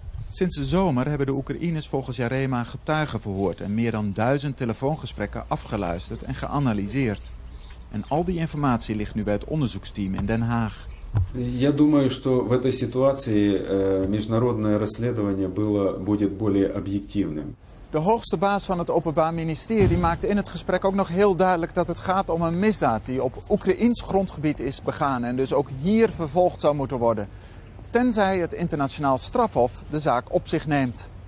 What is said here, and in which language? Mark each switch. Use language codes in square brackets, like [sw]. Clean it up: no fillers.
[nl] Sinds de zomer hebben de Oekraïners volgens Jarema getuigen verhoord en meer dan 1000 telefoongesprekken afgeluisterd en geanalyseerd. En al die informatie ligt nu bij het onderzoeksteam in Den Haag. [ru] Я думаю, что в этой ситуации международное расследование будет более объективным. [nl] De hoogste baas van het Openbaar Ministerie maakte in het gesprek ook nog heel duidelijk dat het gaat om een misdaad die op Oekraïns grondgebied is begaan en dus ook hier vervolgd zou moeten worden. Tenzij het internationaal strafhof de zaak op zich neemt.